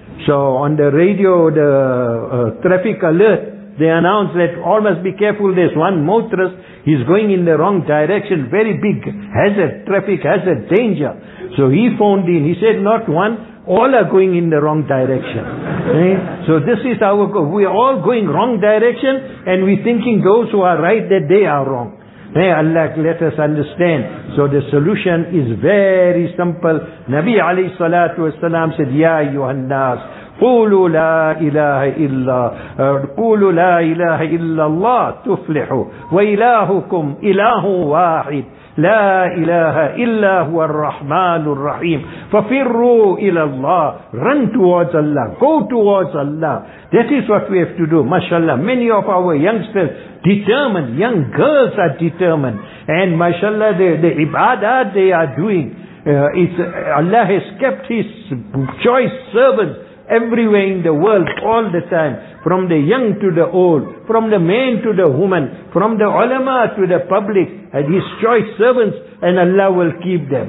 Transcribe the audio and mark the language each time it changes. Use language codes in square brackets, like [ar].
[en] So on the radio, the traffic alert, they announced that all must be careful, there's one motorist, he's going in the wrong direction, very big hazard, traffic hazard, danger. So he phoned in, he said not one, All are going in the wrong direction. So this is our goal. We are all going wrong direction, and we thinking those who are right that they are wrong. May Allah let us understand. So the solution is very simple. [ar] Nabi alayhi salatu wasalam said, Ya ayyuhan nas, قولوا لا إله إلا قولوا لا إله إلا الله تفلحوا وإلهكم إله واحد لا إله إلا هو الرحمن الرحيم ففروا إلى الله. [en] Run towards Allah. Go towards Allah. That is what we have to do. MashaAllah. Many of our youngsters determined. Young girls are determined. And MashaAllah, the ibadat they are doing. Allah has kept His choice servants everywhere in the world, all the time, from the young to the old, from the man to the woman, from the ulama to the public, and His choice servants, and Allah will keep them.